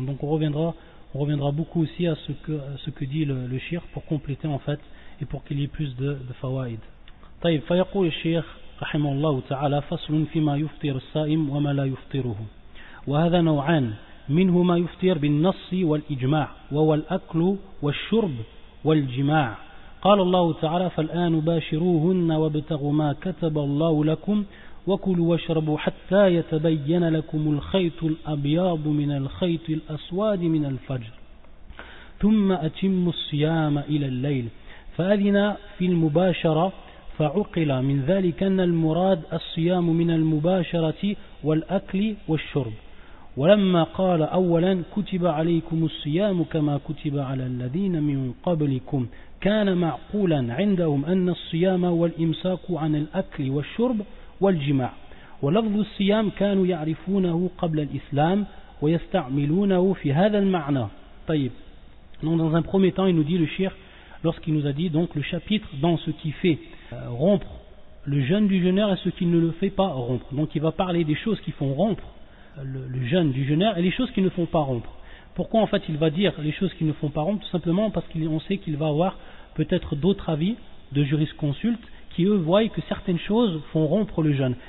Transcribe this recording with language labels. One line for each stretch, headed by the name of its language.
French: Donc on reviendra beaucoup aussi à ce que dit le Cheikh pour compléter en fait et pour qu'il y ait plus de fawaïd.
Arabic: Taïb, fayaqul al-Cheikh rahimahullah ta'ala faslun fima yuftir sa'im wa ma la yuftiruhu wa hadha naw'an منه ما يفطر بالنص والإجماع وهو الأكل والشرب والجماع. قال الله تعالى فالآن باشروهن وابتغوا ما كتب الله لكم وَكُلُوا وَشْرَبُوا حَتَّى يَتَبَيَّنَ لَكُمُ الْخَيْطُ الْأَبْيَاضُ مِنَ الْخَيْطِ الْأَسْوَادِ مِنَ الْفَجْرِ ثُمَّ أَتِمُّ الصِّيَامَ إِلَى اللَّيْلِ فَأَذِنَ فِي الْمُبَاشَرَةِ فَعُقِلَ مِنْ ذَلِكَ أَنَّ الْمُرَادَ الصِّيَامُ مِنَ الْمُبَاشَرَةِ وَالْأَكْلِ وَالشُّرْبِ ولما قال أولا كتب عليكم الصيام كما كتب على الذين من قبلكم كان معقولا عندهم أن الصيام والإمساك عن الأكل والشرب والجماع ولفظ الصيام كانوا يعرفونه قبل الإسلام ويستعملونه في هذا المعنى. طيب.
French: Donc dans un premier temps, il nous dit le cheikh lorsqu'il nous a dit donc le chapitre dans ce qui fait rompre le jeûne du jeûneur et ce qui ne le fait pas rompre. Donc il va parler des choses qui font rompre le jeûne du jeûneur et les choses qui ne font pas rompre. Pourquoi en fait il va dire les choses qui ne font pas rompre? Tout simplement parce qu'on sait qu'il va avoir peut-être d'autres avis de jurisconsultes qui eux voient que certaines choses font rompre le jeûne.